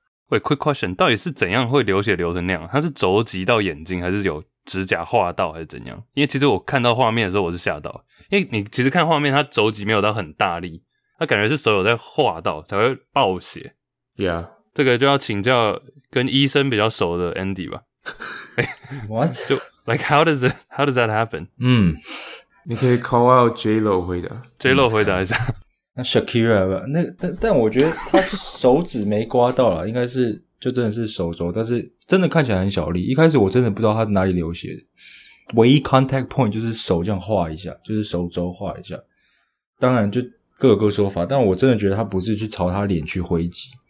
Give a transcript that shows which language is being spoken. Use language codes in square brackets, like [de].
[zh] 喂 quick question，到底是怎样会流血流成那样？他是肘击到眼睛，还是有指甲划到，还是怎样？因为其实我看到画面的时候我是吓到，因为你其实看画面他肘击没有到很大力，他感觉是手有在划到才会爆血。 [en] Yeah， [zh] 这个就要请教跟医生比较熟的 Andy 吧。 [en] What？就 like how does that happen？嗯， [zh] 你可以 call out J Lo 回答，J Lo 回答一下。那 Shakira 吧，那但我觉得他手指没刮到啦，应该是就真的是手肘，但是真的看起来很小力。一开始我真的不知道他哪里流血的，唯一 contact point 就是手这样画一下，就是手肘画一下。当然就各有各说法，但我真的觉得他不是去朝他脸去挥击。